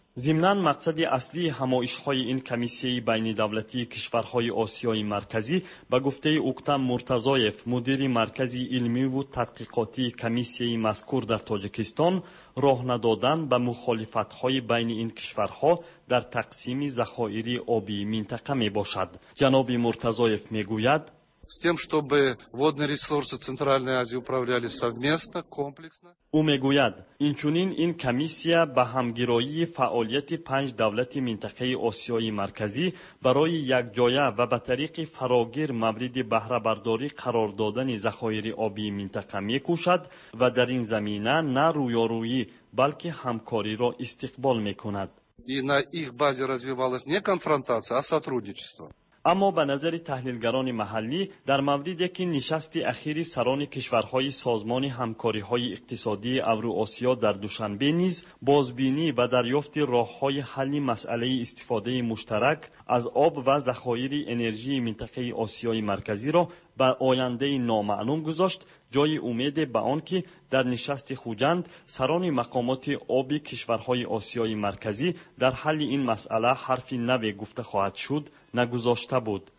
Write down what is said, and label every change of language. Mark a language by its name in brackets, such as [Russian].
[Tajik] ضمناً مقصد اصلی همایش های این کمیسیه بین دولتی کشورهای آسیای مرکزی به گفته اوکتم مرتضایف مدیر مرکز علمی و تحقیقاتی کمیسیه مذکور در تاجیکستان راه ندادن به مخالفت های بین این کشورها در تقسیم ذخایر آبی منطقه می باشد. جناب مرتضایف می گوید [Russian] с тем, чтобы водные ресурсы Центральной Азии управляли совместно, комплексно. [Tajik] Умегуяд, инчунин ин комиссия ба хамгирои фаолияти 5 давлати минтақаи Осиёи марказӣ барои якҷоя ва ба тариқи фарогир мавриди баҳра бардорӣ қарор додани захоири обии минтақа мекушад ва дар ин замина на рӯёрӯӣ, балки ҳамкориро истиқбол мекунад. [Russian] И на их базе развивалась не конфронтация, а сотрудничество. [Tajik] Аммо ба назари таҳлилгарони маҳаллӣ, дар мавриде ки нишасти ахири сарони кишварҳои Созмони ҳамкориҳои иқтисодии Евроосиё дар Душанбе низ бозбинӣ ва дарёфти роҳҳои ҳалли масъалаи истифодаи муштарак аз об ва захоири энержии минтақаи Осиёи марказиро ба ояндаи номаълум гузошт, ҷои умеде ба он ки дар нишасти Хуҷанд сарони мақомоти оби кишварҳои Осиёи марказӣ дар ҳалли ин масъала ҳарфи наве гуфта хоҳад шуд нагузошта буд.